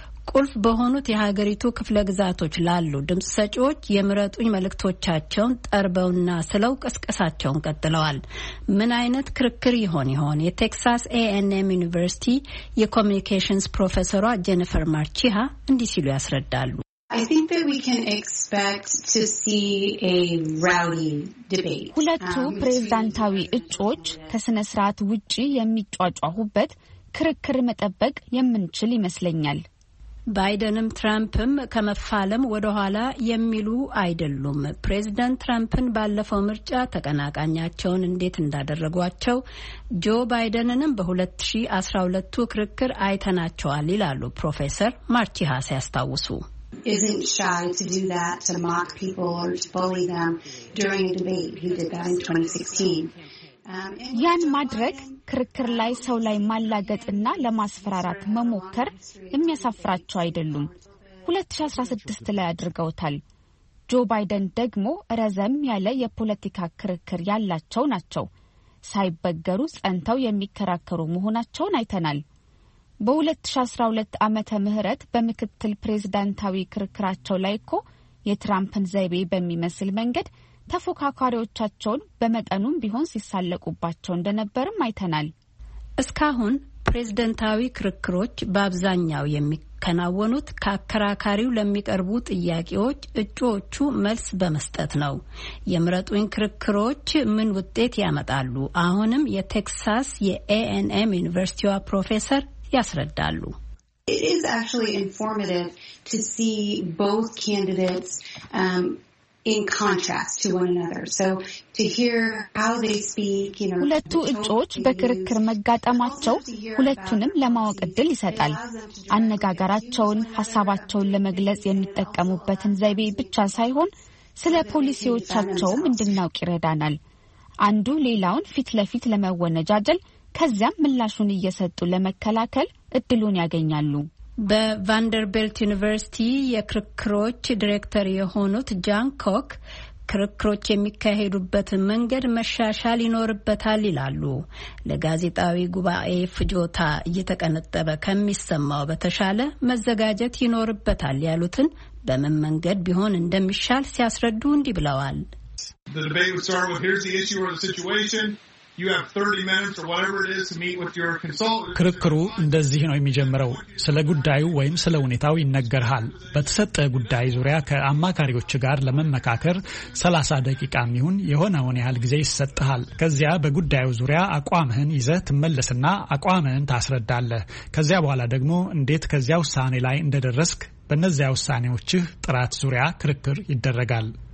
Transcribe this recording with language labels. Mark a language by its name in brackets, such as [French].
[Amharic] ቁልፍ በሆኑት የሀገሪቱ ክፍለ ግዛቶች ላሉ ድምጽ ሰጪዎች የምረጡኝ መልእክቶቻቸውን ጠርበውና ስለው ቅስቀሳቸውን ቀጥለዋል። ምን አይነት ክርክር ይሆን ይሆን? የቴክሳስ A&M ዩኒቨርሲቲ የኮሙኒኬሽንስ ፕሮፌሰሯ ጀነፈር ማርቺሃ እንዲህ ሲሉ ያስረዳሉ። [English] I think that we can expect to see a rowdy debate. [Amharic] ሁለቱ ፕሬዝዳንታዊ እጩዎች ከስነ ስርዓት ውጪ የሚጫጫሁበት ክርክር መጠበቅ የምንችል ይመስለኛል። ባይደንም ትራምፕም ከመፋለም ወደ ኋላ የሚሉ አይደሉም። ፕሬዝዳንት ትራምፕን ባለፈው ምርጫ ተቀናቃኛቸውን እንዴት እንዳደረጓቸው ጆ ባይደንንም በ2012ቱ ክርክር አይተናቸዋል ይላሉ ፕሮፌሰር ማርቺሃ ሲያስታውሱ። [English] Isn't shy to do that, to mock people or to bully them during a debate. He did that in 2016. [Amharic] ያን ማድረግ ክርክር ላይ ሰው ላይ ማላገጥና ለማስፈራራት መሞከር የሚያሳፍራቸው አይደሉም። 2016 ላይ አድርገውታል። ጆ ባይደን ደግሞ ረዘም ያለ የፖለቲካ ክርክር ያላቸው ናቸው። ሳይበገሩ ጸንተው የሚከራከሩ መሆናቸውን አይተናል። በ2012 ዓመተ ምህረት በምክትል ፕሬዝዳንታዊ ክርክራቸው ላይ እኮ የትራምፕን ዘይቤ በሚመስል መንገድ ተፎካካሪዎቻቸውን በመጠኑም ቢሆን ሲሳለቁባቸው እንደነበርም አይተናል። እስካሁን ፕሬዝደንታዊ ክርክሮች በአብዛኛው የሚከናወኑት ከአከራካሪው ለሚቀርቡ ጥያቄዎች እጩዎቹ መልስ በመስጠት ነው። የምረጡኝ ክርክሮች ምን ውጤት ያመጣሉ? አሁንም የቴክሳስ የA&M ዩኒቨርሲቲዋ ፕሮፌሰር ያስረዳሉ። [English] It is actually informative to see both candidates in contrast to one another. So to hear how they speak, you know, [Amharic] ሁለቱ እጩዎች በክርክር መጋጠማቸው ሁለቱንም ለማወቅ እድል ይሰጣል። አነጋገራቸውን፣ ሐሳባቸውን ለመግለጽ የሚጠቀሙበትን ዘይቤ ብቻ ሳይሆን ስለ ፖሊሲዎቻቸውም እንድናውቅ ይረዳናል። አንዱ ሌላውን ፊት ለፊት ለመወነጃጀል ከዚያም ምላሹን እየሰጡ ለመከላከል እድሉን ያገኛሉ። በቫንደርቢልት ዩኒቨርሲቲ የክርክሮች ዳይሬክተር የሆኑት ጃን ኮክ ክርክሮች የሚካሄዱበት መንገድ መሻሻል ይኖርበታል ይላሉ። ለጋዜጣዊ ጉባኤ ፍጆታ እየተቀነጠበ ከመስማው በተሻለ መዘጋጀት ይኖርበታል ያሉትን በምን መንገድ ቢሆን እንደሚሻል ሲያስረዱ እንዲብለዋል። [English] The debate would start with here's the issue or the situation. you have 30 minutes or whatever it is to meet with your consultant. [Amharic] ክርክሩ እንደዚህ ነው የሚጀምረው። ስለ ጉዳዩ ወይም ስለ ሁኔታው ይነገርሃል። በተሰጠ ጉዳይ ዙሪያ ከአማካሪዎች ጋር ለመመካከር 30 ደቂቃ የሚሆን የሆነውን ያህል ጊዜ ይሰጣል። ከዚያ በጉዳዩ ዙሪያ አቋምህን ይዘህ ትመለስና አቋምህን ታስረዳለህ። ከዚያ በኋላ ደግሞ እንዴት ከዚያው ሳኔ ላይ እንደደረስክ በነዚያው ሳኔዎችህ ጥራት ዙሪያ ክርክር ይደረጋል።